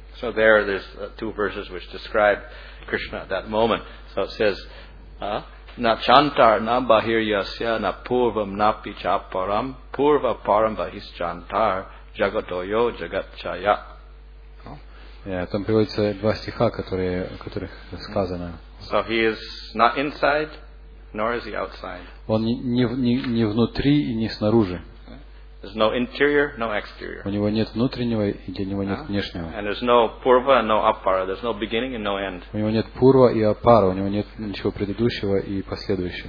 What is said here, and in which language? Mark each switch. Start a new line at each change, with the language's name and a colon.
English: So there's two verses which describe Krishna at that moment. So it says,
Sanskrit: na chantar na bahiryasya na purvam na pichaparam purva param bahis chantar. Jagatoyo jagatchaya.
Russian: Там приводятся два стиха, которые, о которых сказано.
English: So he is not inside, nor is he outside.
Russian: Он не внутри и не снаружи.
English: There's no interior, no exterior.
Russian: У него нет внутреннего и для него нет внешнего.
English: And there's no purva and no apara. There's no beginning and no end.
Russian: У него нет пурва и апара. У него нет ничего предыдущего и последующего.